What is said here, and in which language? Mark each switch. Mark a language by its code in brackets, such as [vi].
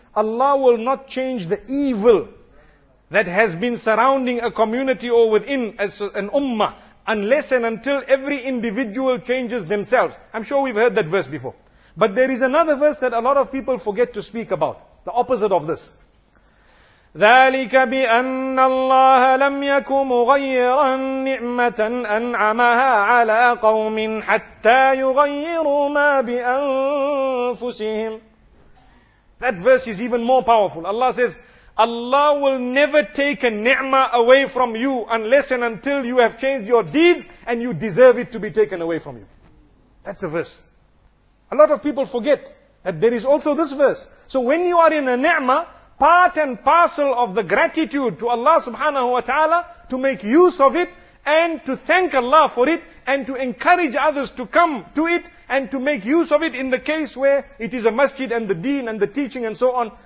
[en] Allah will not change the evil that has been surrounding a community or within as an ummah unless and until every individual changes themselves. I'm sure we've heard that verse before. But there is another verse that a lot of people forget to speak about. The opposite of this. [ar] ذلك بأن الله لم يكن مغيرا نعمة أنعمها على قوم حتى يغيروا ما بأنفسهم. [en] That verse is even more powerful. Allah says, Allah will never take a ni'mah away from you unless and until you have changed your deeds and you deserve it to be taken away from you. That's a verse. A lot of people forget that there is also this verse. So when you are in a ni'mah, part and parcel of the gratitude to Allah subhanahu wa ta'ala to make use of it and to thank Allah for it and to encourage others to come to it and to make use of it in the case where it is a masjid and the deen and the teaching and so on.